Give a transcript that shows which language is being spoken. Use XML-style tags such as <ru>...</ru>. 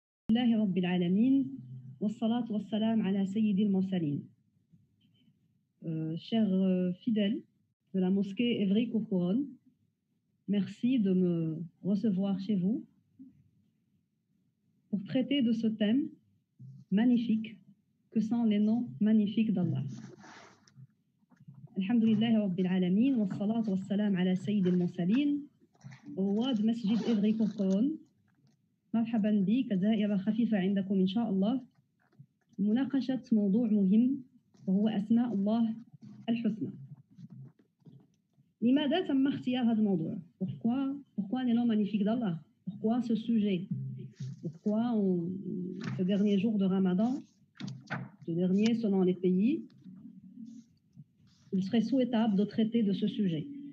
<ar>الله رب العالمين والصلاة والسلام على سيد المرسلين.</ar> <fr>Chers fidèles de la mosquée Évry-Courcouronnes, merci de me recevoir chez vous pour traiter de ce thème magnifique que sont les noms magnifiques d'Allah.</fr> <ar>Alhamdulillah Rabbil Alamin, والصلاة والسلام على سيد المرسلين, رواد مسجد Évry-Courcouronnes. مرحبا بك زائرة خفيفة عندكم إن شاء الله مناقشة موضوع مهم وهو أسماء الله الحسنى. لماذا تم اختيار هذا الموضوع؟</ar> <fr>Pourquoi les noms magnifiques d'Allah? Pourquoi ce sujet? Pourquoi ce dernier jour de Ramadan, ce dernier selon les pays, il serait souhaitable de traiter de ce sujet?</fr>